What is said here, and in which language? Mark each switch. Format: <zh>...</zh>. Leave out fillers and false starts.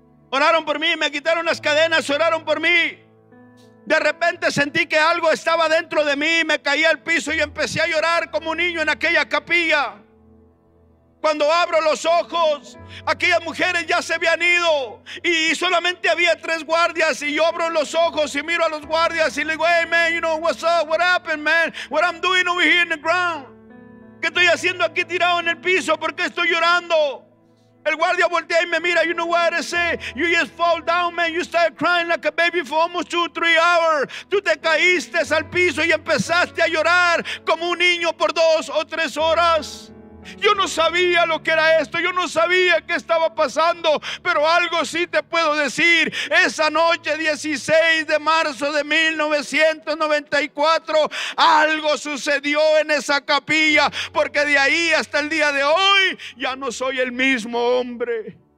<es>Oraron por mí, me quitaron las cadenas, oraron por mí. De repente sentí que algo estaba dentro de mí, me caí al piso y empecé a llorar como un niño en aquella capilla. Cuando abro los ojos, aquellas mujeres ya se habían ido y solamente había 3 guardias. Y yo abro los ojos y miro a los guardias y le digo:</es> <en>hey man, you know what's up, what happened man, what I'm doing over here in the ground.</en> <es>¿Qué estoy haciendo aquí tirado en el piso? ¿Por qué estoy llorando? El guardia voltea y me mira:</es> <en>you know what I say, you just fall down man, you started crying like a baby for almost 2-3 hours.</en> <es>Tú te caíste al piso y empezaste a llorar como un niño por 2 o 3 horas. Yo no sabía lo que era esto, yo no sabía qué estaba pasando, pero algo sí te puedo decir. Esa noche 16 de marzo de 1994, algo sucedió en esa capilla, porque de ahí hasta el día de hoy ya no soy el mismo hombre.</es>